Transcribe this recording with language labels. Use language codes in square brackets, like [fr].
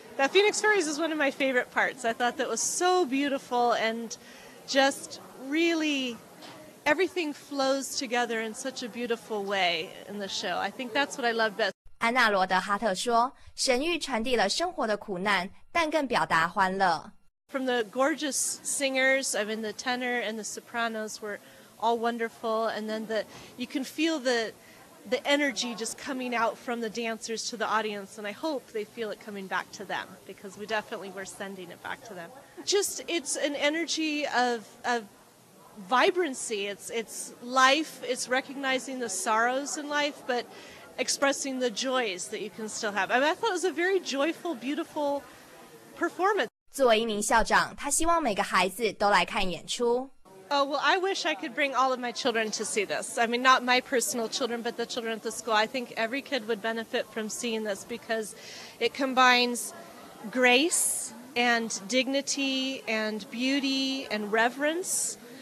[en] The Phoenix Fairies is one of my favorite parts. I thought that was so beautiful and just... Really, everything flows together in such a beautiful way in the show. I think that's what I love best. [zh] 安娜·罗德·哈特说，神韵传递了生活的苦难，但更表达欢乐。 [en] From the gorgeous singers, I mean, the tenor and the sopranos were all wonderful. And then you can feel the energy just coming out from the dancers to the audience. And I hope they feel it coming back to them, because we definitely were sending it back to them. Just, it's an energy of vibrancy. It's life. It's recognizing the sorrows in life, but expressing the joys that you can still have. I mean, I thought it was a very joyful, beautiful performance. [zh] 作为一名校长，他希望每个孩子都来看演出。 [en] Oh, well, I wish I could bring all of my children to see this. I mean, not my personal children, but the children at the school. I think every kid would benefit from seeing this because it combines grace and dignity and beauty and reverence.